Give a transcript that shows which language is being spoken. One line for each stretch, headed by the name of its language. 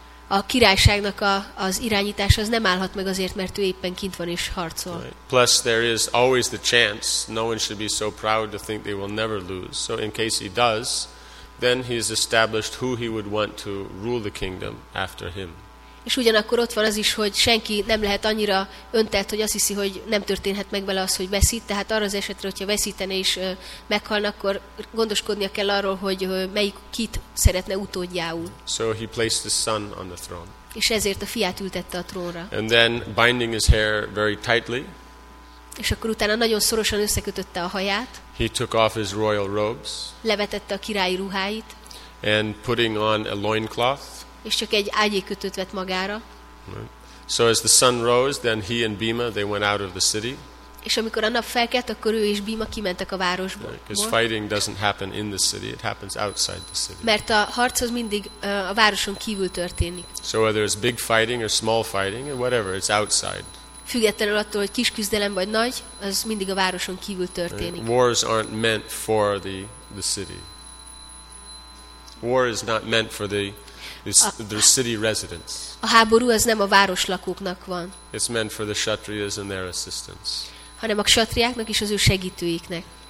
Hungarian: A királyságnak az irányítás az nem állhat meg azért, mert ő éppen kint van és harcol.
English: Right. Plus there is always the chance, no one should be so proud to think they will never lose. So in case he does, then he has established who he would want to rule the kingdom after him.
Hungarian: És ugyanakkor ott van az is, hogy senki nem lehet annyira öntett, hogy azt hiszi, hogy nem történhet meg vele az, hogy veszít. Tehát arra az esetre, hogyha veszítene és meghalna, akkor gondoskodnia kell arról, hogy melyik kit szeretne utódjául.
English: So he placed his son on the throne.
Hungarian: És ezért a fiát ültette a trónra.
English: And then binding his hair very tightly.
Hungarian: És akkor utána nagyon szorosan összekötötte a haját.
English: He took off his royal robes.
Hungarian: Levetette a királyi ruháit.
English: And putting on a loincloth.
Hungarian: És csak egy ágyékötőt vett magára.
English: So as the sun rose, then he and Bhima, they went out of the city.
Hungarian: És amikor a nap felkelt, akkor ő és Bhima kimentek a városból.
English: Because fighting doesn't happen in the city, it happens outside the city.
Hungarian: Mert a harc az mindig a városon kívül történik.
English: So whether it's big fighting or small fighting, or whatever, it's outside.
Hungarian: Függetlenül attól, hogy kis küzdelem vagy nagy, az mindig a városon kívül történik.
English: Wars aren't meant for the city. War is not meant for the city residents.
Hungarian: A háború az nem a város lakóknak van.
English: It's meant for the kshatriyas and their assistants.
Hungarian: Hanem a kshatriáknak és az ő segítőiknek.